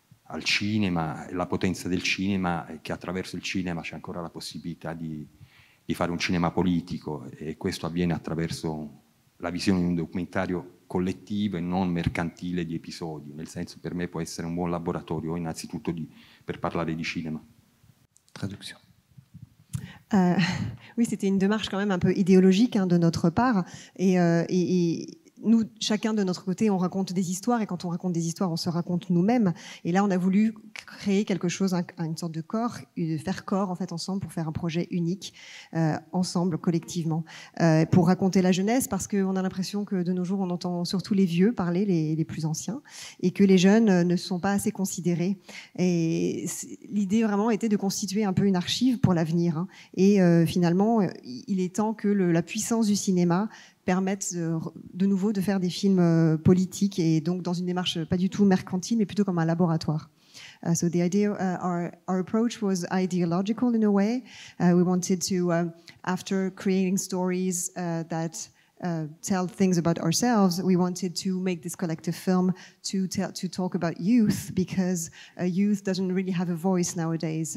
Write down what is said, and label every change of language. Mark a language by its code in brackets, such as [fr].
[it] al cinema, la potenza del cinema, che attraverso il cinema c'è ancora la possibilità di fare un cinema politico, e questo avviene attraverso la visione di un documentario collettivo e non mercantile di episodi, nel senso, per me può essere un buon laboratorio innanzitutto per parlare di cinema. Traduzione. [fr] Oui, c'était une démarche quand même un peu idéologique, hein, de notre part, et nous, chacun de notre côté, on raconte des histoires, et quand on raconte des histoires, on se raconte nous-mêmes. Et là, on a voulu créer quelque chose, une sorte de corps, faire corps en fait, ensemble pour faire un projet unique, ensemble, collectivement, pour raconter la jeunesse, parce qu'on a l'impression que de nos jours, on entend surtout les vieux parler, les plus anciens, et que les jeunes ne sont pas assez considérés. Et l'idée, vraiment, était de constituer un peu une archive pour l'avenir. Hein. Et finalement, il est temps que la puissance du cinéma permettent de nouveau de faire des films politiques et donc dans une démarche pas du tout mercantile mais plutôt comme un laboratoire. [en] So the idea, our approach was ideological in a way. We wanted to, after creating stories that tell things about ourselves, we wanted to make this collective film to talk about youth because youth doesn't really have a voice nowadays.